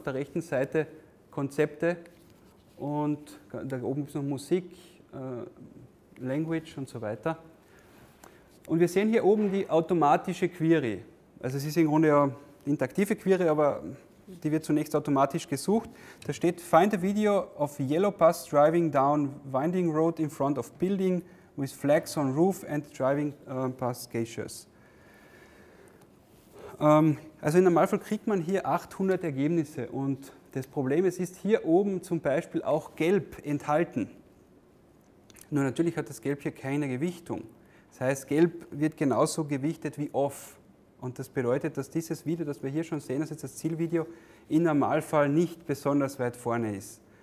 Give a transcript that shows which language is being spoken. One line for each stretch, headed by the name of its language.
German: Auf der rechten Seite Konzepte und da oben gibt es noch Musik, Language und so weiter. Und wir sehen hier oben die automatische Query. Also es ist im Grunde eine interaktive Query, aber die wird zunächst automatisch gesucht. Da steht,
English: find a video of yellow bus driving down winding road in front of building with flags on roof and driving past geishas.
German: Also im Normalfall kriegt man hier 800 Ergebnisse und das Problem ist, es ist hier oben zum Beispiel auch gelb enthalten. Nur natürlich hat das Gelb hier keine Gewichtung. Das heißt, gelb wird genauso gewichtet wie off. Und das bedeutet, dass dieses Video, das wir hier schon sehen, das ist das Zielvideo, im Normalfall nicht besonders weit vorne ist.